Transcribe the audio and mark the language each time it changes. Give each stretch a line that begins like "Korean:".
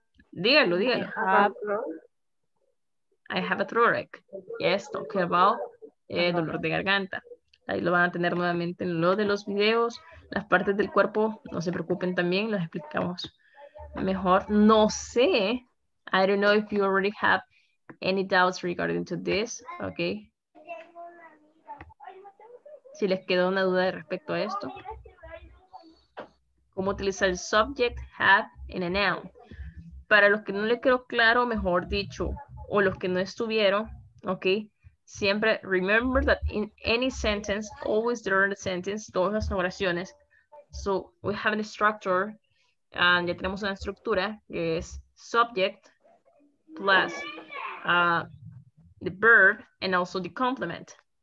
Spanish: Dígalo, dígalo.
English: I have a throat. Yes, talking about
Spanish: dolor de garganta. Ahí lo van a tener nuevamente en lo de los videos. Las partes del cuerpo, no se preocupen también, las explicamos mejor. No sé.
English: I don't know if you already have any doubts regarding to this. Okay.
Spanish: Si les quedó una duda respecto a esto. ¿Cómo utilizar el
English: subject have
Spanish: en
English: a noun?
Spanish: Para los que no les quedó claro, mejor dicho, o los que no estuvieron, ok, siempre
English: remember that in any sentence, always during the sentence,
Spanish: todas las oraciones,
English: so we have a structure,
Spanish: and ya tenemos una estructura, que es
English: subject plus the verb and also the complement.